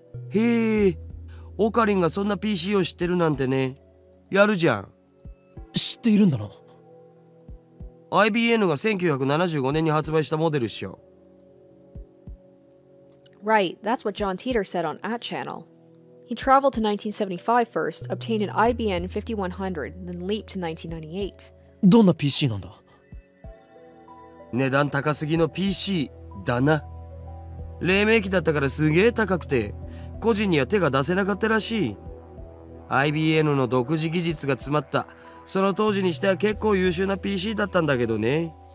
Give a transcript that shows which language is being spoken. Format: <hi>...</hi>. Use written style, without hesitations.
<ja>へえ、オカリンがそんな PC を知ってるなんてね。やるじゃん。知っているんだな。 IBN が1975年に発売したモデルっしょ。</ja> <en>Right, that's what John Titor said on At Channel. He traveled to 1975 first, obtained an IBM 5100, then leaped to 1998.</en> <ja>どんな PC なんだ？値段高すぎの PC だな。黎明期だったからすげえ高くて、個人には手が出せなかったらしい。 IBM の独自技術が詰まった、その当時にしては結構優秀な PC だったんだけどね。</ja>